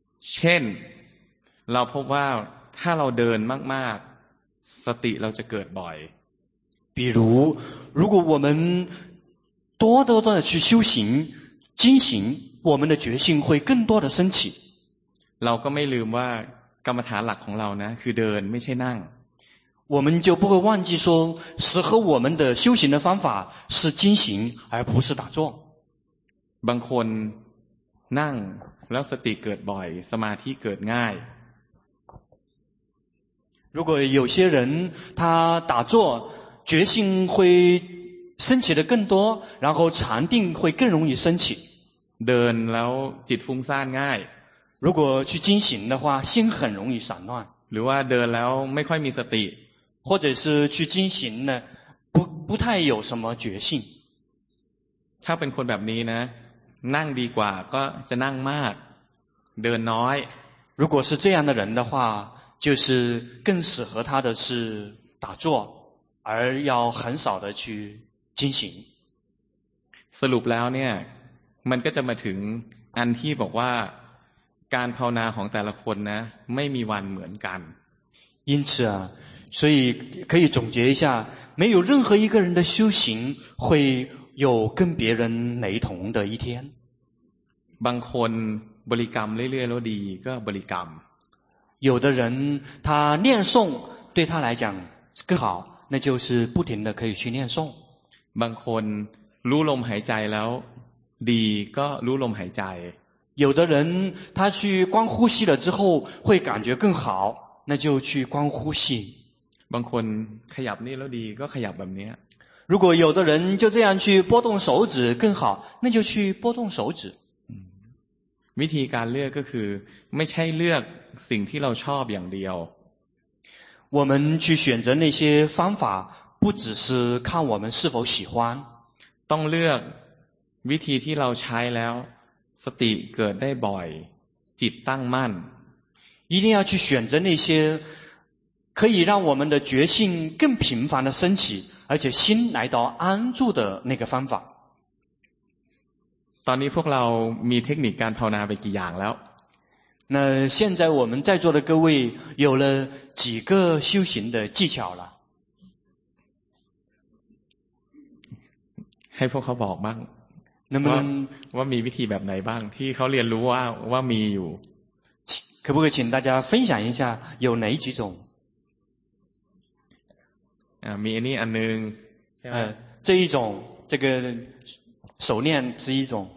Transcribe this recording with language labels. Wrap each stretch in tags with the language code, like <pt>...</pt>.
<th>เช่นเราพบว่าถ้าเราเดินมากๆสติเราจะเกิดบ่อย</th> <zh>比如如果我们多多的去修行精行我们的觉性会更多的升起</zh> <th>เราก็ไม่ลืมว่ากรรมฐานหลักของเรานะคือเดินไม่ใช่นั่ง</th> <zh>我们就不会忘记说适合我们的修行的方法是精行而不是打坐</zh> <th>บางคนนั่งแล้วสติเกิดบ่อยสมาธิเกิดง่าย</th> <zh>如果有些人他打坐觉性会升起的更多然后禅定会更容易升起</zh> <th>เดินแล้วจิตฟุ้งซ่านง่าย</th> <zh>如果去精行的话心很容易散乱</zh> <th>หรือว่าเดินแล้วไม่ค่อยมีสติ</th> <zh>或者是去精行呢不太有什么决心</zh> <th>ถ้าเป็นคนแบบนี้นะนั่งดีกว่าก็จะนั่งมากเดินน้อย</th> <zh>如果是这样的人的话就是更适合他的是打坐而要很少的去精行</zh> <th>สรุปแล้วเนี่ยมันก็จะมาถึงอันที่บอกว่าการภาวนาของแต่ละคนนะไม่มีวันเหมือนกัน</th> <zh>因此啊所以可以总结一下没有任何一个人的修行会有跟别人雷同的一天</zh> <th>บางคนบริกรรมเรื่อยๆแล้วดีก็บริกรรม</th> <zh>有的人他念诵对他来讲更好那就是不停的可以去念诵</zh> <th>บางคนรู้ลมหายใจแล้วดีก็รู้ลมหายใจ</th> <zh>有的人他去观呼吸了之后会感觉更好那就去观呼吸</zh> <th>บางคนขยับนี่แล้วดีก็ขยับแบบนี้</th> <zh>如果有的人就这样去拨动手指更好那就去拨动手指</zh> <th>วิธีการเลือกก็คือไม่ใช่เลือกสิ่งที่เราชอบอย่างเดียว</th> <zh>我们去选择那些方法不只是看我们是否喜欢</zh> <th>ต้องเลือกวิธีที่เราใช้แล้วสติเกิดได้บ่อยจิตตั้งมั่น</th> <zh>一定要去选择那些可以让我们的觉性更频繁的升起而且心来到安住的那个方法</zh> <th>ตอนนี้พวกเรามีเทคนิคการภาวนาไปกี่อย่างแล้ว</th> <zh>那现在我们在座的各位有了几个修行的技巧了</zh> <th>ให้พวกเขาบอกบ้าง ว่ามีวิธีแบบไหนบ้างที่เขาเรียนรู้ว่ามีอยู่</th> <zh>可不可以请大家分享一下有哪几种</zh> <th>มีอันนี้อันหนึ่ง</th> <zh>这一种这个手念是一种</zh>